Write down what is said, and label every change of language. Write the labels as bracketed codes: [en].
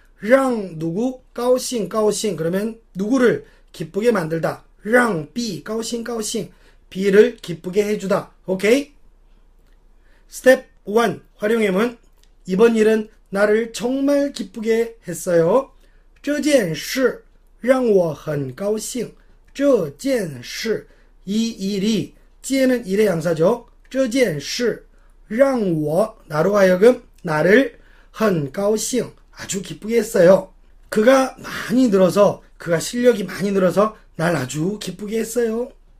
[ko] 랑 누구 까오싱 까오싱. 그러면 누구를 기쁘게 만들다. 랑 B 까오싱 까오싱. B를 기쁘게 해주다. 오케이? 스텝 1 활용 예문. 이번 일은 나를 정말 기쁘게 했어요. [zh] 这件事让我很高兴.这件事. [ko] 이 일이, 지에는 일의 양사죠. [zh] 这件事 让我 [ko] 나로 하여금 나를 [zh] 很高兴 [ko] 아주 기쁘게 했어요. 그가 많이 늘어서, 그가 실력이 많이 늘어서 날 아주 기쁘게 했어요.